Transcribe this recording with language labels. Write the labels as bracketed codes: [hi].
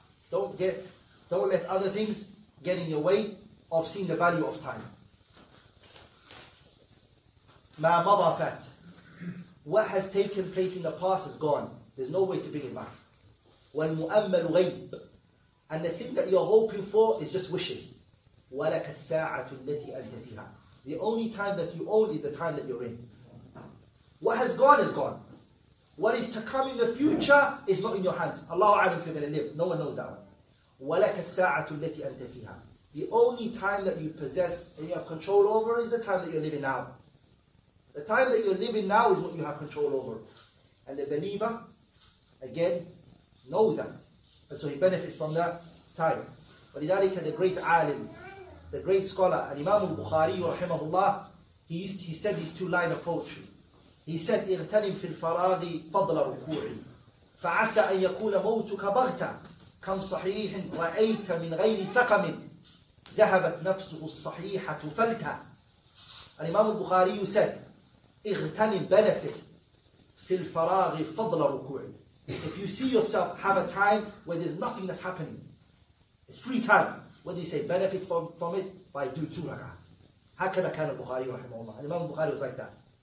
[en] Don't let other things get in your way of seeing the value of time. [ar] مَا مَضَى فَاتْ [en] what has taken place in the past is gone. There's no way to bring it back. [ar] والمؤمل غيب. [en] And the thing that you're hoping for is just wishes. [ar] ولك الساعة التي أنت فيها. [en] The only time that you own is the time that you're in. What has gone is gone. What is to come in the future is not in your hands. [ar] Allahu a'lam fi man [en] live. No one knows that one. [ar] ولك الساعة التي أنت فيها. [en] The only time that you possess and you have control over is the time that you're living now. The time that you're living now is what you have control over. And the believer, again, knows that. And so he benefits from that time. ولذلك the great alim, the great scholar, and Imam al-Bukhari, rahimahullah, he said these two lines of poetry. He said, [ar] اغتنم في الفراغ فضل ركوعي فعسى أن يكون موتك بغتا كم صحيح رأيت من غير سقم ذهبت نفسه الصحيحة فلتا. [en] And Imam al-Bukhari said, [ar] اغتنم [en] benefit [ar] في الفراغ فضل ركوعي. [en] If you see yourself have a time where there's nothing that's happening, it's free time. What do you say? Benefit from it by doing two rak'ah. [ar] Hakada kana [en] Bukhari rahimahullah. And Imam Bukhari was like that.